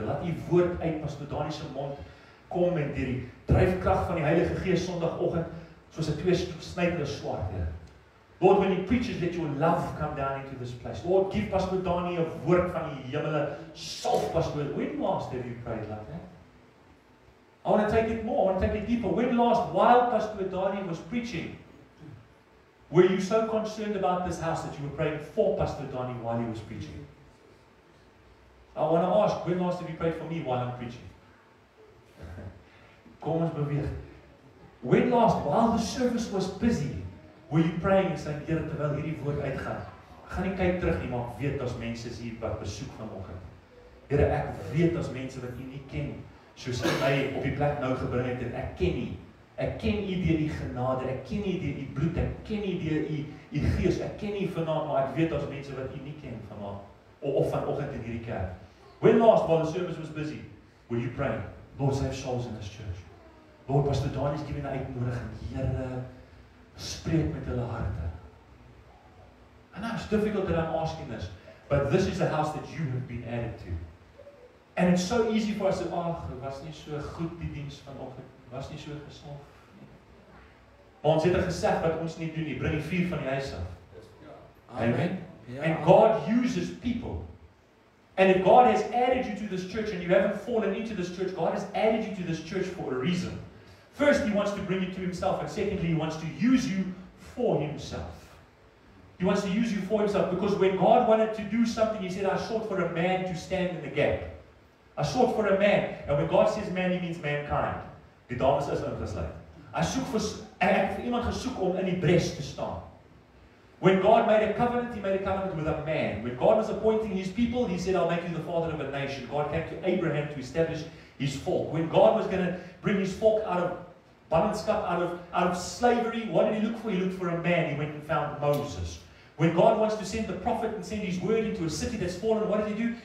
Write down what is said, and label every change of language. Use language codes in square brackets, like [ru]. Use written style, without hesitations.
[af] Laat u woord uit Pastor Dani se mond kom en deur die dryfkrag van die Heilige Gees Sondagoggend soos 'n tweesnydende swaard, Here. [en] Lord, when he preaches, let your love come down into this place. Lord, give Pastor Dani a word from the hemel. Salve Pastor. When last have you prayed like that? I want to take it more. I want to take it deeper. When last, while Pastor Dani was preaching, were you so concerned about this house that you were praying for Pastor Dani while he was preaching? I want to ask, when last have you prayed for me while I'm preaching? [af] Kom ons beweeg. [en] When last, while the service was busy, were you praying and saying, [af] Here, terwyl hierdie woord uitgaan, gaan nie kyk terug nie, maar ek weet as mense is hier wat besoek vanoggend. Here, ek weet as mense wat u nie ken, soos u my op die plek nou gebring het, en ek ken u. Ek ken u deur die genade, ek ken u deur die bloed, ek ken u deur u Gees, ek ken u vanaand, maar ek weet as mense wat u nie ken vanaand, of vanoggend in hierdie kerk. [en] When last, while the service was busy, were you praying, Lord, save souls in this church? Lord, Pastor Dani is giving an uitnodiging, [af] Here, spreek met hulle harte. [en] And now it's difficult that I'm asking this, but this is the house that you have been added to. And it's so easy for us to [af] ag, was nie so goed die diens vanoggend, was nie so gesond nie. Maar ons het gesê wat ons nie doen nie, bring die vuur van die huis af. [en] Amen. And God uses people. And if God has added you to this church and you haven't fallen into this church, God has added you to this church for a reason. First, he wants to bring you to himself, and secondly, he wants to use you for himself. He wants to use you for himself, because when God wanted to do something, he said, I sought for a man to stand in the gap. I sought for a man. And when God says man, he means mankind. [af] Die dames is ingesluit. Ek het vir iemand gesoek om in die bres te staan. [en] When God made a covenant, he made a covenant with a man. When God was appointing his people, he said, I'll make you the father of a nation. God came to Abraham to establish his folk. When God was going to bring his folk out of bondage, out of slavery, what did he look for? He looked for a man. He went and found Moses. When God wants to send the prophet and send his word into a city that's fallen, what does he do?